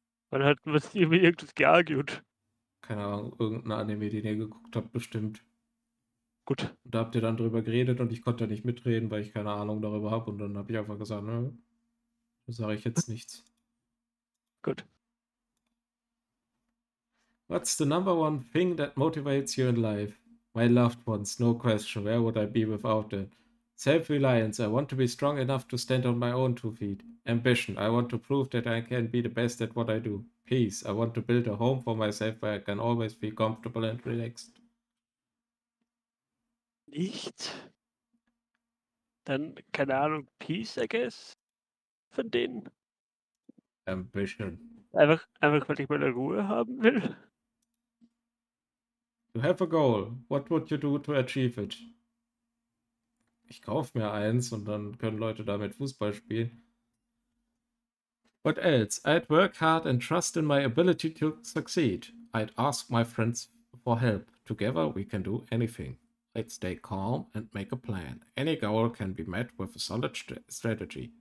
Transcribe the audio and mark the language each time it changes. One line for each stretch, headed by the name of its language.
German: Wann hat was über irgendwas geargued? Keine Ahnung, irgendein Anime, den ihr geguckt habt, bestimmt. Gut. Und da habt ihr dann drüber geredet und ich konnte nicht mitreden, weil ich keine Ahnung darüber habe. Und dann habe ich einfach gesagt, ne, da sage ich jetzt nichts. Gut.
English: What's the number one thing that motivates you in life? My loved ones, no question. Where would I be without them? Self-reliance. I want to be strong enough to stand on my own 2 feet. Ambition. I want to prove that I can be the best at what I do. Peace. I want to build a home for myself where I can always be comfortable and relaxed.
German: Nicht? Dann, keine Ahnung, Peace,
English: I guess?
German: Von denen?
English: Ambition.
German: Einfach, weil ich meine Ruhe haben will?
English: You have a goal. What would you do to achieve it?
German: Ich kaufe mir eins und dann können Leute damit Fußball spielen.
English: What else? I'd work hard and trust in my ability to succeed. I'd ask my friends for help. Together we can do anything. I'd stay calm and make a plan. Any goal can be met with a solid strategy.